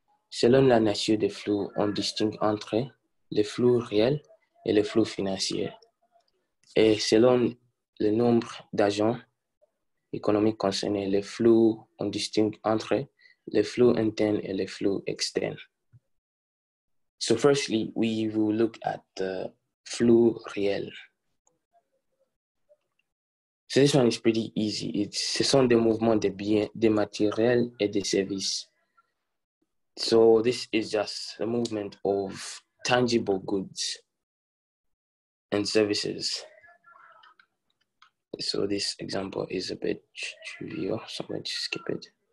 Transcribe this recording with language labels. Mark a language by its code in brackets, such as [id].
[fr] Selon la nature des flux, on distingue entre les flux réels et les flux financiers. Et selon le nombre d'agents économiques concernés, les flux, on distingue entre les flux internes et les flux externes. [en] So firstly, we will look at the flux réel. So this one is pretty easy. [fr] Ce sont des mouvements de biens, de matériel et de services. [en] So this is just a movement of tangible goods and services. So this example is a bit trivial, so I'm going to skip it.